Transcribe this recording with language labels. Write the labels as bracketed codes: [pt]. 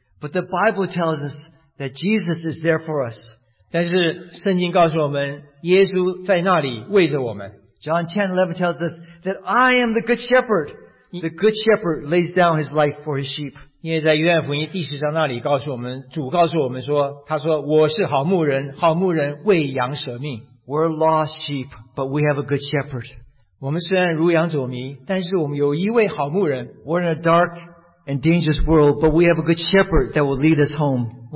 [en] But the Bible tells us that Jesus is there for us. [zh] 但是圣经告诉我们，耶稣在那里为着我们。 [en] John 10:11 tells us that I am the good shepherd. The good shepherd lays down his life for his sheep. [zh] 因为在约翰福音第10章那里告诉我们，主告诉我们说，他说我是好牧人，好牧人为羊舍命。 [en] We're lost sheep, but we have a good shepherd. [zh] 我们虽然如羊走迷，但是我们有一位好牧人。 [en] We're in a dark and dangerous world, but we have a good shepherd that will lead us home.